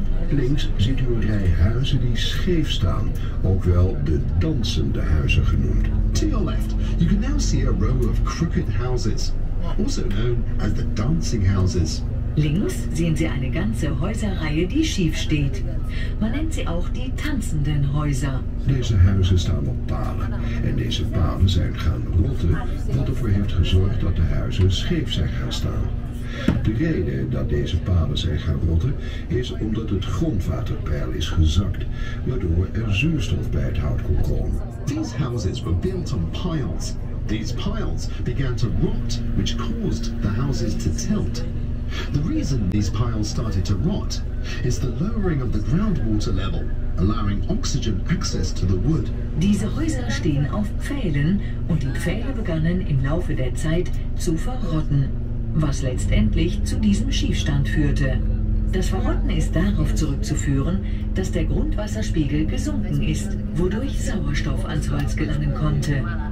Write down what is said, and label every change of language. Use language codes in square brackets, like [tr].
[nl] Links ziet u een rij huizen die scheef staan, ook wel de dansende huizen genoemd. [en] To your left, you can now see a row of crooked houses, also known as the dancing houses. [de] Links sehen Sie eine ganze Häuserreihe, die schief steht. Man nennt sie auch die tanzenden Häuser. [nl] Deze huizen staan op palen en deze palen zijn gaan rotten, wat ervoor heeft gezorgd dat de huizen scheef zijn gaan staan. De reden dat deze paden zijn gaan rotten is omdat het grondwaterpeil is gezakt, waardoor er zuurstof bij het hout kon komen. [en] These houses were built on piles. These piles began to rot, which caused the houses to tilt. The reason these piles started to rot is the lowering of the groundwater level, allowing oxygen access to the wood. [de] Diese Häuser stehen auf Pfählen und die Pfähle begannen im Laufe der Zeit zu verrotten, was letztendlich zu diesem Schiefstand führte. Das Verrotten ist darauf zurückzuführen, dass der Grundwasserspiegel gesunken ist, wodurch Sauerstoff ans Holz gelangen konnte.